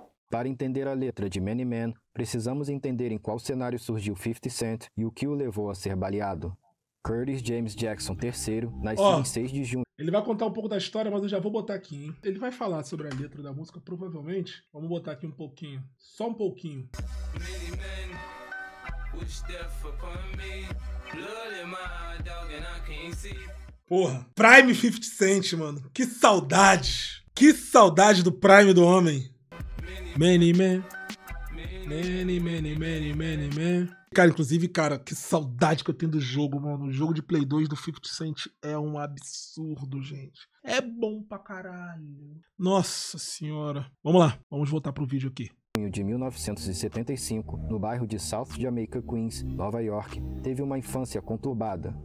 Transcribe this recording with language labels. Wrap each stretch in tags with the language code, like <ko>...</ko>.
<pt>Para entender a letra de Many Men, precisamos entender em qual cenário surgiu 50 Cent e o que o levou a ser baleado. Curtis James Jackson III nasceu em 6 de junho. Ele vai contar um pouco da história, mas eu já vou botar aqui, hein? Ele vai falar sobre a letra da música, provavelmente. Vamos botar aqui um pouquinho. Só um pouquinho.</pt> <en>Many men, who's there for me? Bloody my dog and I can't see.</en> <pt>Porra, Prime 50 Cent, mano. Que saudade. Que saudade do Prime do homem.</pt> <en>Many men. Many, many, many, many, many.</en> <pt>Cara, inclusive, cara, que saudade que eu tenho do jogo, mano. O jogo de Play 2 do 50 Cent é um absurdo, gente. É bom pra caralho. Nossa senhora. Vamos lá, vamos voltar pro vídeo aqui. Em junho de 1975, no bairro de South Jamaica, Queens, Nova York, teve uma infância conturbada.</pt>